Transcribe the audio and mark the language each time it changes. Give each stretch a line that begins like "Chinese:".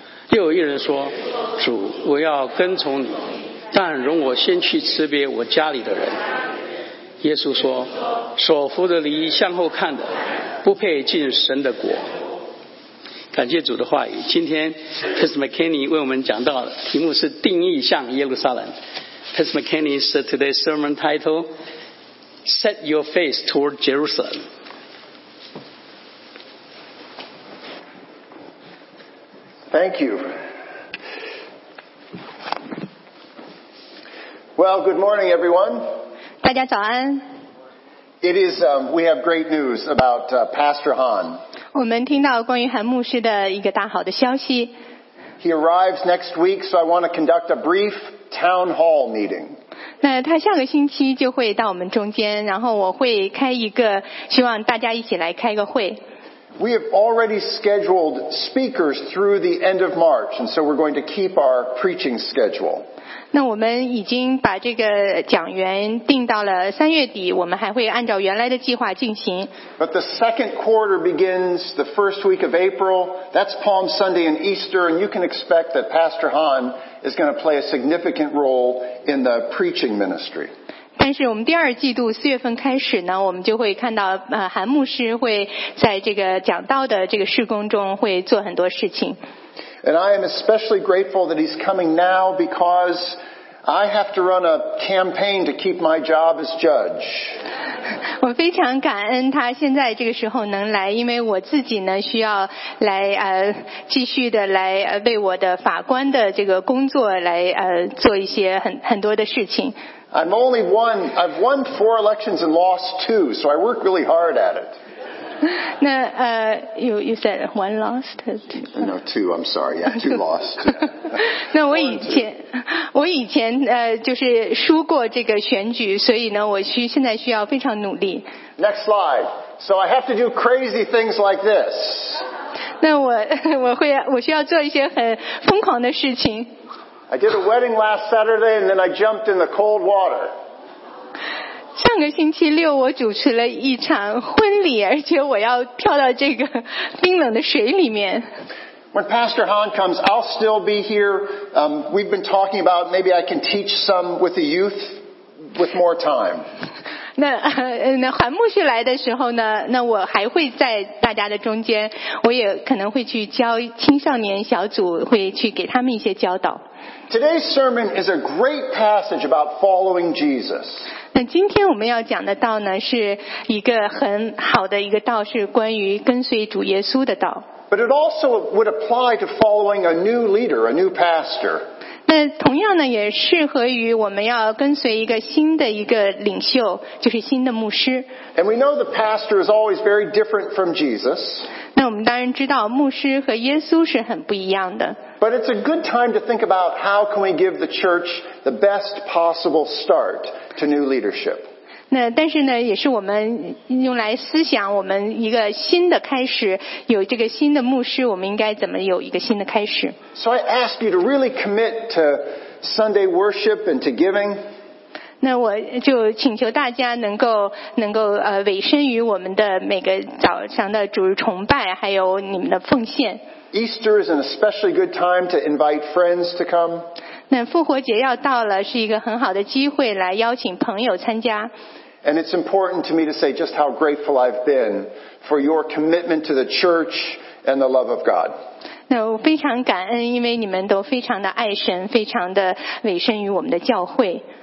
Chinese: 又有一人说：主，我要跟从你，但容我先去辞别我家里的人。耶稣说：手扶着犁向后看的，不配进神的国。感谢主的话语。今天 Pastor McKinney 为我们讲到的题目是定意向耶路撒冷。
English: Pastor McKinney said today's sermon title: Set your face toward Jerusalem. Thank you. Well, good morning, everyone.
Chinese: 大家早安。
English: It is, we have great news about Pastor Han.
Chinese: 我们听到关于韩牧师的一个大好的消息。
English: He arrives next week, so I want to conduct a brief town hall meeting.
Chinese: 那他下个星期就会到我们中间，然后我会开一个，希望大家一起来开个会。
English: We have already scheduled speakers through the end of March, and so we're going to keep our preaching schedule.
Chinese: 那我们已经把这个讲员定到了三月底，我们还会按照原来的计划进行。
English: But the second quarter begins the first week of April. That's Palm Sunday and Easter, and you can expect that Pastor Han is going to play a significant role in the preaching ministry.
Chinese: 但是我们第二季度四月份开始呢，我们就会看到韩牧师会在这个讲道的这个事工中会做很多事情。
English: And I am especially grateful that he's coming now because I have to run a campaign to keep my job as judge.
Chinese: 我非常感恩他现在这个时候能来，因为我自己呢需要来继续的来为我的法官的这个工作来做一些很多的事情。
English: I've won four elections and lost two, so I work really hard at it. 那you said one lost two. No, two. I'm sorry. Yeah, two lost.
Chinese: 那我以前就是输过这个选举，所以呢，我现在需要非常努力。
English: Next slide. So I have to do crazy things like this.
Chinese: 那我需要做一些很疯狂的事情。
English: I did a wedding last Saturday, and then I jumped in the cold water.
Chinese: 上个星期六我主持了一场婚礼，而且我要跳到这个冰冷的水里面。
English: When Pastor Han comes, I'll still be here. We've been talking about maybe I can teach some with the youth with more time.
Chinese: 那韩牧师来的时候呢，那我还会在大家的中间，我也可能会去教青少年小组，会去给他们一些教导。
English: Today's sermon is a great passage about following Jesus.
Chinese: 那今天我们要讲的道呢，是一个很好的一个道，是关于跟随主耶稣的道。
English: But it also would apply to following a new leader, a new pastor.
Chinese: 那同样呢，也适合于我们要跟随一个新的一个领袖，就是新的牧师。
English: And we know the pastor is always very different from Jesus.
Chinese: 那我们当然知道，牧师和耶稣是很不一样的。
English: But it's a good time to think about how can we give the church the best possible start to new leadership.
Chinese: 那但是呢，也是我们用来思想我们一个新的开始，有这个新的牧师，我们应该怎么有一个新的开始。
English: So I ask you to really commit to Sunday worship and to giving.
Chinese: 那我就请求大家能够委身于我们的每个早上的主日崇拜，还有你们的奉献。
English: Easter is an especially good time to invite friends to come.
Chinese: 那复活节要到了，是一个很好的机会来邀请朋友参加。
English: And it's important to me to say just how grateful I've been for your commitment to the church and the love of God.
Chinese: 那我非常感恩，因为你们都非常的爱神，非常的委身于我们的教会。